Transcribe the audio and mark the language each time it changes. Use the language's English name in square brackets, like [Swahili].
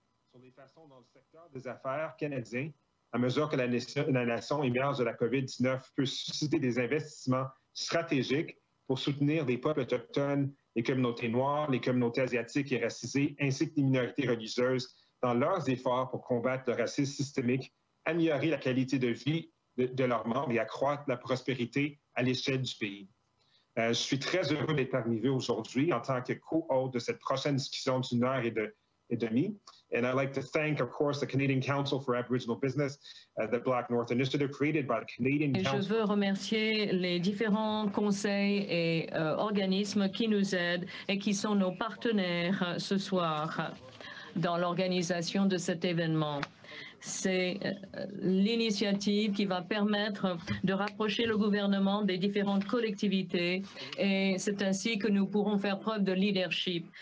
[French] Sur les façons dans le secteur des affaires canadien, à mesure que la nation émerge de la COVID-19, peut susciter des investissements stratégiques pour soutenir les peuples autochtones, les communautés noires, les communautés asiatiques et racisées, ainsi que les minorités religieuses dans leurs efforts pour combattre le racisme systémique, améliorer la qualité de vie de leurs membres et accroître la prospérité à l'échelle du pays. Je suis très heureux d'être arrivé aujourd'hui en tant que co-hôte de cette prochaine discussion d'une heure et demie. [English] And I'd like to thank, of course, the Canadian Council for Aboriginal Business, the Black North Initiative created by the Canadian Council. [French] Et je veux remercier les différents conseils et organismes qui nous aident et qui sont nos partenaires ce soir dans l'organisation de cet événement. C'est l'initiative qui va permettre de rapprocher le gouvernement des différentes collectivités et c'est ainsi que nous pourrons faire preuve de leadership.